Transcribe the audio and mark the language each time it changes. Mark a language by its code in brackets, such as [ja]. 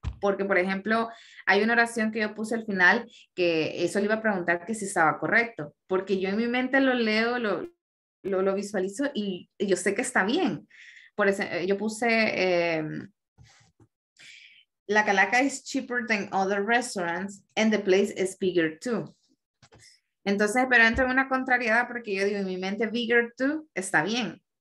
[es] Porque, por ejemplo, hay una oración que yo puse al final que eso le iba a preguntar que si estaba correcto. Porque yo en mi mente lo leo, lo visualizo y yo sé que está bien. Por eso yo puse, [en] la calaca is cheaper than other restaurants and the place is bigger too. [es] Entonces, pero entro en una contrariedad porque yo digo en mi mente bigger too está bien.